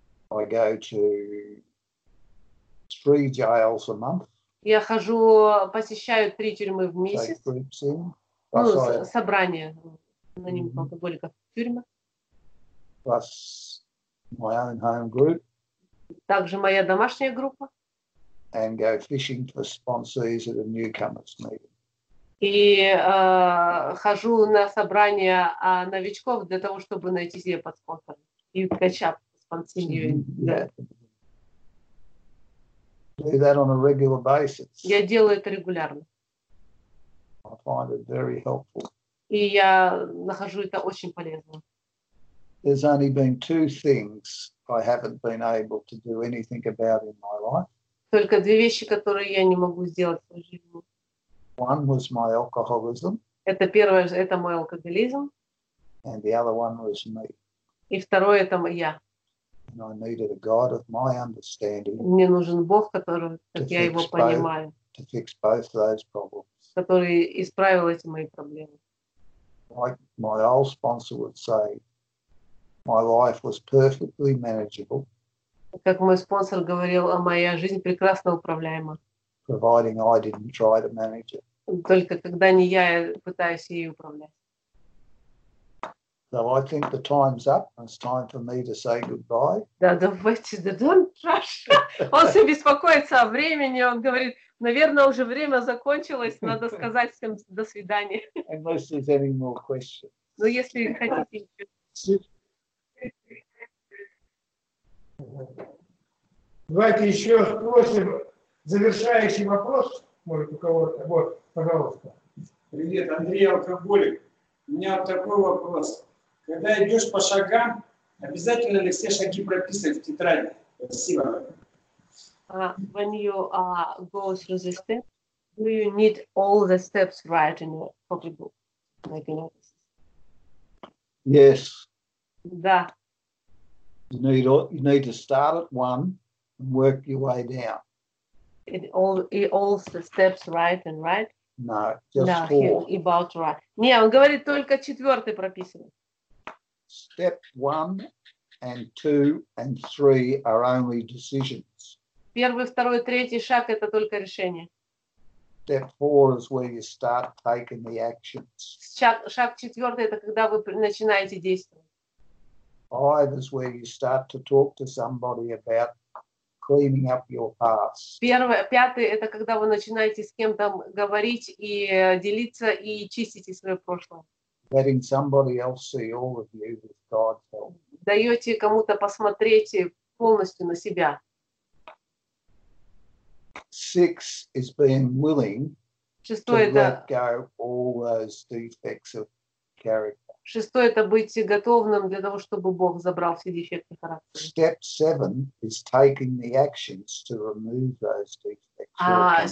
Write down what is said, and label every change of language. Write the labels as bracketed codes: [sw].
[en] I go to 3 jails a month. [ru] Я хожу, посещаю 3 тюрьмы в месяц. [en] Take groups in. [ru] Собрание анонимных mm-hmm. алкоголиков в тюрьмах. [en] Plus my own home group. [ru] Также моя домашняя группа. [en] And go fishing for sponsors at a newcomers meeting. [ru] И хожу на собрания новичков для того, чтобы найти себе подспонсора. И кача спонсирую. [en] Do that on a regular basis. [ru] Я делаю это регулярно. [en] I find it very helpful. [ru] И я нахожу это очень полезно. [en] There's only been 2 things I haven't been able to do anything about in my life. [ru] Только 2 вещи, которые я не могу сделать в своей жизни. [en] One was my alcoholism. [ru] Это первое, это мой алкоголизм. [en] And the other one was me. [ru] И второе, это я. [en] And I needed a God of my understanding. [ru] Мне нужен Бог, который, как я его понимаю. [en] To fix both those problems. [ru] Который исправил эти мои проблемы. [en] Like my old sponsor would say, my life was perfectly manageable. [ru] Как мой спонсор говорил, моя жизнь прекрасно управляема. [en] Providing I didn't try to manage it. [ru] Только когда не я пытаюсь ей управлять. [en] So I think the time's up. It's time for me to say goodbye. [ru] Да, давайте, да, [en] don't rush. [ru] Он все беспокоится о времени. Он говорит, наверное, уже время закончилось. Надо сказать всем до свидания. [en] Unless there's any more questions. [ru] Ну, если хотите. Давайте еще спросим завершающий вопрос. Может, у кого-то? Вот, пожалуйста. Привет, Андрей, алкоголик. У меня вот такой вопрос. Когда идешь по шагам, обязательно ли все шаги прописывать в тетради? Спасибо. [en] When you go through the steps, do you need all the steps right in your copy book? Like in office? Yes. [ru] Да. [en] You need to start at one and work your way down. It all the steps right and right? No, just four. About right. [ru] Не, он говорит только четвертый прописывает. [en] Step 1, 2, and 3 are only decisions. [ru] Первый, второй, третий шаг это только решение. [en] Step 4 is where you start taking the actions. [ru] Шаг четвертый это когда вы начинаете действовать. [en] 5 is where you start to talk to somebody about cleaning up your past. [ru] Пятый это когда вы начинаете с кем-то говорить и делиться и чистите свое прошлое. [en] Letting somebody else see all of you with God's help. [ru] Даете кому-то посмотреть полностью на себя. [en] 6 is being willing [ru] Шестой [en] to let go all those defects of character. [ru] Шестое – это быть готовым для того, чтобы Бог забрал все дефекты характера. [en] Step 7 is taking the actions to remove those defects.